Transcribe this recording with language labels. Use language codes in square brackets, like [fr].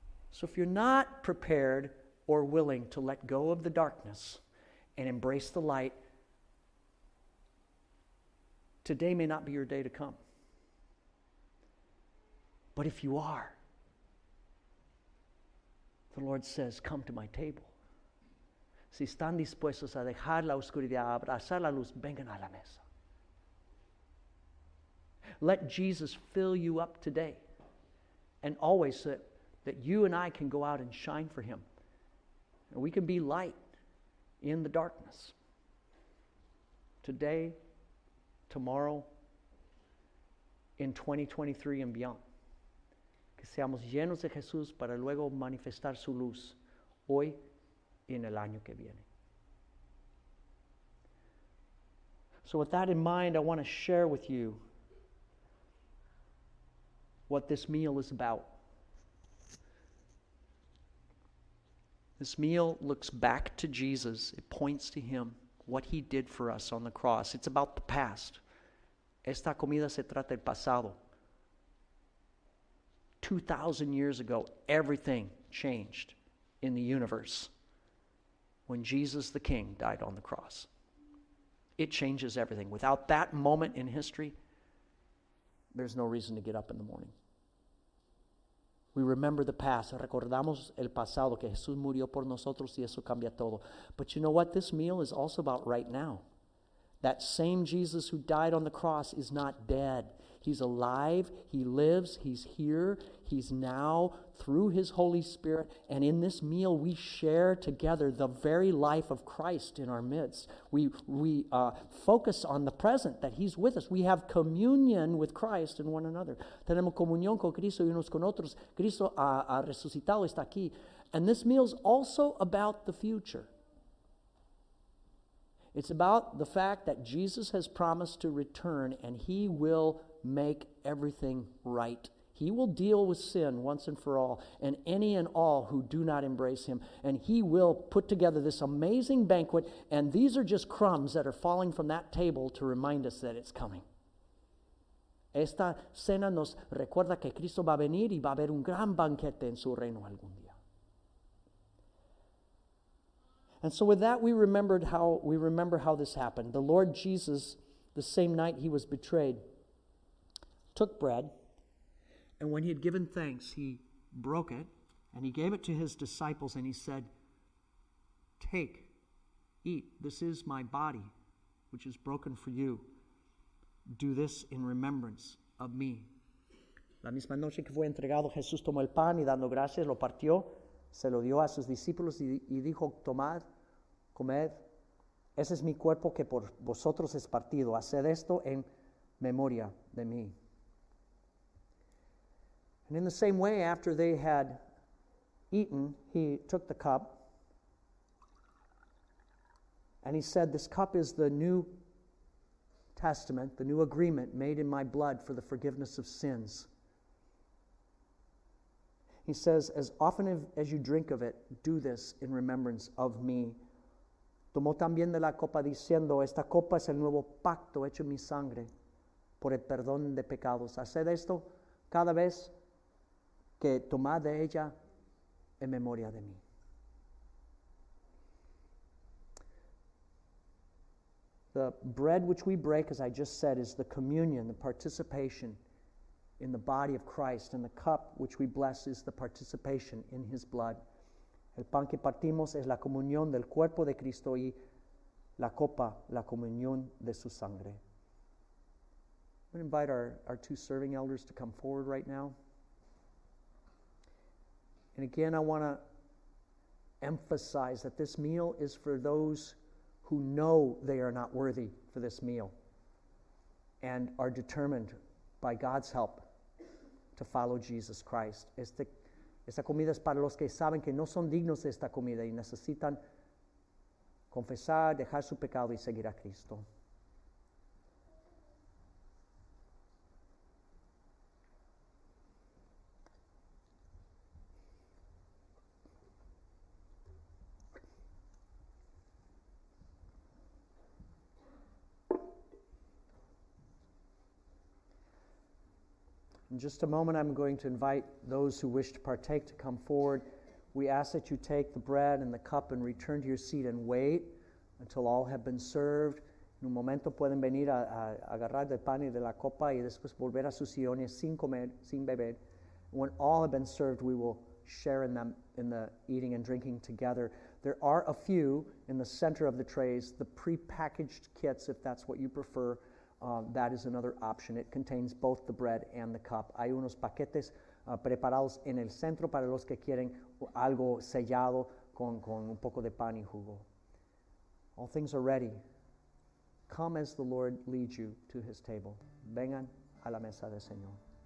[en] So if you're not prepared or willing to let go of the darkness and embrace the light, today may not be your day to come. But if you are, the Lord says, come to my table. [es] Si están dispuestos a dejar la oscuridad, abrazar la luz, vengan a la mesa. [en] Let Jesus fill you up today and always that you and I can go out and shine for him. And we can be light in the darkness. Today, tomorrow, in 2023 and beyond. [es] Que seamos llenos de Jesús para luego manifestar su luz hoy y en el año que viene. [en] So with that in mind, I want to share with you what this meal is about. This meal looks back to Jesus. It points to him, what he did for us on the cross. It's about the past. [es] Esta comida se trata del pasado. [en] 2,000 years ago, everything changed in the universe when Jesus the King died on the cross. It changes everything. Without that moment in history, there's no reason to get up in the morning. We remember the past. [es] Recordamos el pasado, que Jesús murió por nosotros y eso cambia todo. [en] But you know what? This meal is also about right now. That same Jesus who died on the cross is not dead. He's alive, he lives, he's here, he's now through his Holy Spirit. And in this meal, we share together the very life of Christ in our midst. We focus on the present, that he's with us. We have communion with Christ and one another. [es] Tenemos comunión con Cristo y unos con otros. Cristo ha resucitado, está aquí. [en] And this meal's also about the future. It's about the fact that Jesus has promised to return and he will make everything right. He will deal with sin once and for all and any and all who do not embrace him. And he will put together this amazing banquet, and these are just crumbs that are falling from that table to remind us that it's coming. [es] Esta cena nos recuerda que Cristo va a venir y va a haber un gran banquete en su reino algún día. [en] And so with that, we remember how this happened. The Lord Jesus, the same night he was betrayed, took bread, and when he had given thanks, he broke it, and he gave it to his disciples, and he said, "Take, eat, this is my body, which is broken for you. Do this in remembrance of me." [es] La misma noche que fue entregado, Jesús tomó el pan, y dando gracias, lo partió, se lo dio a sus discípulos, y dijo, "Tomad, comed, ese es mi cuerpo que por vosotros es partido. Haced esto en memoria de mí." [en] And in the same way, after they had eaten, he took the cup and he said, "This cup is the new testament, the new agreement made in my blood for the forgiveness of sins." He says, "As often as you drink of it, do this in remembrance of me." [es] Tomó también de la copa diciendo, "Esta copa es el nuevo pacto hecho en mi sangre por el perdón de pecados. Haced esto cada vez que tomad de ella en memoria de mí." [en] The bread which we break, as I just said, is the communion, the participation in the body of Christ, and the cup which we bless is the participation in his blood. [es] El pan que partimos es la comunión del cuerpo de Cristo y la copa, la comunión de su sangre. [en] I'm going to invite our two serving elders to come forward right now. And again, I want to emphasize that this meal is for those who know they are not worthy for this meal and are determined by God's help to follow Jesus Christ. [es] Esta comida es para los que saben que no son dignos de esta comida y necesitan confesar, dejar su pecado y seguir a Cristo. [en] In just a moment, I'm going to invite those who wish to partake to come forward. We ask that you take the bread and the cup and return to your seat and wait until all have been served. [es] En un momento pueden venir a agarrar del pan y de la copa y después volver a sus sillones sin comer, sin beber. [en] When all have been served, we will share in them in the eating and drinking together. There are a few in the center of the trays, the prepackaged kits, if that's what you prefer. That is another option. It contains both the bread and the cup. [es] Hay unos paquetes preparados en el centro para los que quieren algo sellado con un poco de pan y jugo. [en] All things are ready. Come as the Lord leads you to his table. [es] Vengan a la mesa del Señor.